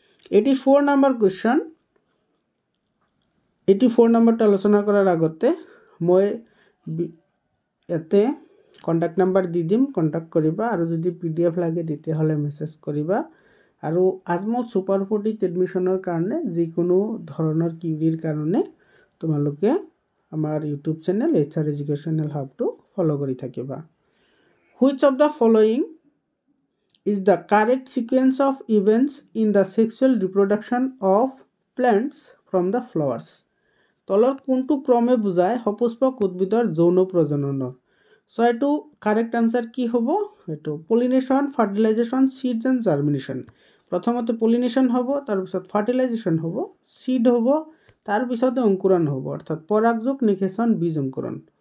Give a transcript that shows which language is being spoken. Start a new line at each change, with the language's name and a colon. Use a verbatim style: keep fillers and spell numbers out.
Assamese: এইটি four number question, eighty four নম্বৰটো আলোচনা কৰাৰ আগতে মই বি- ইয়াতে কণ্টেক্ট নাম্বাৰ দি দিম, কণ্টেক্ট কৰিবা। আৰু যদি পি ডি এফ লাগে তেতিয়াহ'লে মেছেজ কৰিবা। আৰু আজমল ছুপাৰ ফৰ্টিত এডমিশ্যনৰ কাৰণে যিকোনো ধৰণৰ কিউৰিৰ কাৰণে তোমালোকে আমাৰ YouTube channel H R educational হাবটো ফ'ল' কৰি থাকিবা।
English: Which of the following is the correct sequence of events in the sexual reproduction of plants from the flowers?
Assamese: তলৰ কোনটো ক্ৰমে বুজায় সপুষ্পক উদ্ভিদৰ যৌন প্ৰজননৰ? চ' এইটো কাৰেক্ট আনচাৰ কি হ'ব? এইটো
English: Pollination, fertilisation, seeds and germination.
Assamese: প্ৰথমতে পলিনেশ্যন হ'ব, তাৰপিছত ফাৰ্টিলাইজেশ্যন হ'ব, চিড হ'ব, তাৰপিছতে অংকুৰণ হ'ব, অৰ্থাৎ পৰাগযোগ, নিষেচন, বীজ অংকুৰণ।